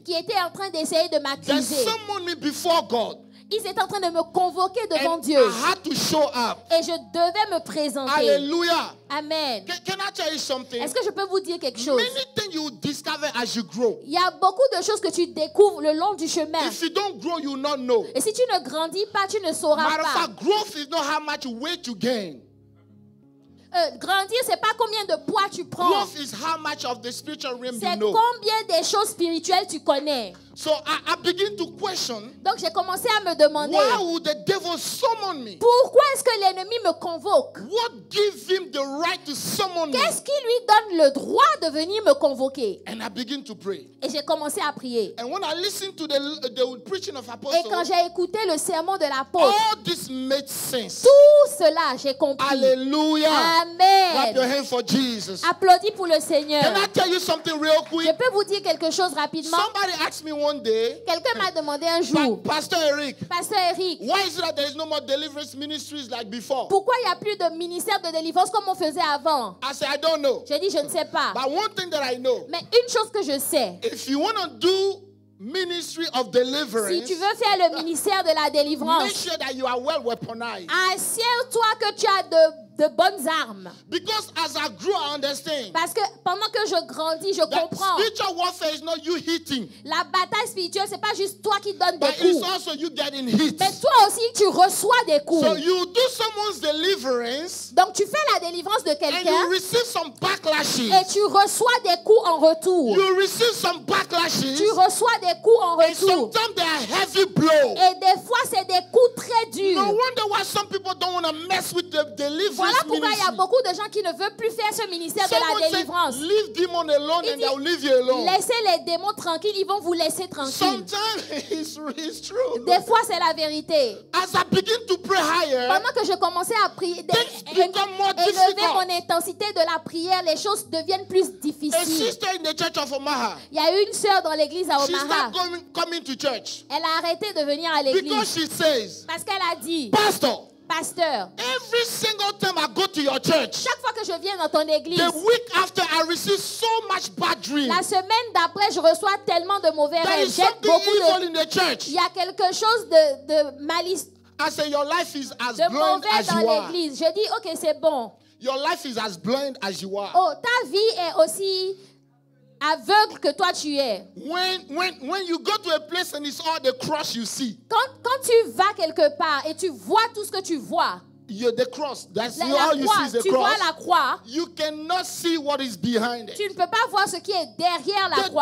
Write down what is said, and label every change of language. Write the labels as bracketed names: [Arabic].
[French] qui étaient en train d'essayer de m'accuser. [English] They summoned me before God. [French] Ils étaient en train de me convoquer devant [English] and [French] Dieu. [English] I had to show up. [French] Et je devais me présenter. Alléluia. Amen. [English] Can I tell you something? [French] Est-ce que je peux vous dire quelque chose? [English] Many things you discover as you grow. [French] Il y a beaucoup de choses que tu découvres le long du chemin. [English] If you don't grow, you will not know. [French] Et si tu ne grandis pas, tu ne sauras [English] matter [French] pas. [English] Matter of fact, growth is not how much weight you gain. [French] Grandir, c'est pas combien de poids tu prends. [English] Growth is how much of the spiritual realm [French] c'est [English] you know. [French] Combien des choses spirituelles tu connais. [English] So I begin to question. [French] Donc j'ai commencé à me demander. [English] Why would the devil summon me? [French] Pourquoi est-ce que l'ennemi me convoque? [English] What give him the right to summon me? [French] Qu'est-ce qui lui donne le droit de venir me convoquer? [English] And I begin to pray. [French] Et j'ai commencé à prier. [English] And when I listen to the preaching of apostle. [French] Et quand j'ai écouté le sermon de l'apôtre. [English] All this made sense. [French] Tout cela j'ai compris. Alléluia. Amen. [English] Clap your hand for Jesus. [French] Applaudis pour le Seigneur. [English] Can I tell you something real quick? [French] Je peux vous dire quelque chose rapidement. [English] Somebody asked me one day, [French] quelqu'un m'a demandé un jour, [English] Pastor Eric, Pastor Eric, why is it that there is no more deliverance ministries like before? [French] Pourquoi il n'y a plus de ministère de délivrance comme on faisait avant? [English] I said, I don't know. [French] J'ai dit, je ne sais pas. [English] But one thing that I know, [French] mais une chose que je sais, [English] if you want to do ministry of deliverance, [French] si tu veux faire le ministère de la délivrance, [English] make sure that you are well weaponized. [French] Assure-toi que tu as de de bonnes armes. [English] Because as I grew, I understand. [French] Parce que pendant que je grandis, je comprends. [English] Spiritual warfare is not you hitting. [French] La bataille spirituelle, c'est pas juste toi qui donnes [English] but [French] des coups. [English] It's also you getting hit. [French] Mais toi aussi, tu reçois des coups. [English] So you do someone's deliverance, [French] donc tu fais la délivrance de quelqu'un. [English] And you receive some backlashes. [French] Et tu reçois des coups en retour. [English] You receive some backlashes, [French] tu reçois des coups en retour. [English] And sometimes they are heavy blows. [French] Et des fois, c'est des coups très durs. [English] No wonder why some people don't want to mess with the deliverance. [French] Voilà pourquoi il y a beaucoup de gens qui ne veulent plus faire ce ministère de la délivrance. [English] Leave demons alone and they'll leave you alone. [French] Laissez les démons tranquilles, ils vont vous laisser tranquille. [English] Sometimes it's true. [French] Des fois, c'est la vérité. [English] As I begin to pray higher, [French] pendant que je commençais à prier, élever mon intensité de la prière, les choses deviennent plus difficiles. [English] A sister in the church of Omaha. [French] Il y a une sœur dans l'église à Omaha. [English] She's not coming to church. [French] Elle a arrêté de venir à l'église. [English] Because she says, [French] parce qu'elle a dit, [English] pastor, [French] pasteur, [English] every single time I go to your church, [French] chaque fois que je viens dans ton église, [English] the week after I receive so much bad dreams, [French] la semaine d'après je reçois tellement de mauvais rêves, [English] there is something evil in the church. [French] Il y a quelque chose de malice. [English] I say your life is as [French] de [English] blind [French] mauvais [English] as [French] dans [English] you [French] l'église [English] are. [French] Je dis ok, c'est bon. [English] Your life is as blind as you are. [French] Oh, ta vie est aussi aveugle que toi tu es. [English] When you go to a place and it's all the cross you see. [French] Quand tu vas quelque part et tu vois tout ce que tu vois. [English] You're the cross. That's all you see is the cross. [French] Tu vois la croix. [English] You cannot see what is behind it. [French] Tu ne peux pas voir ce qui est derrière la croix.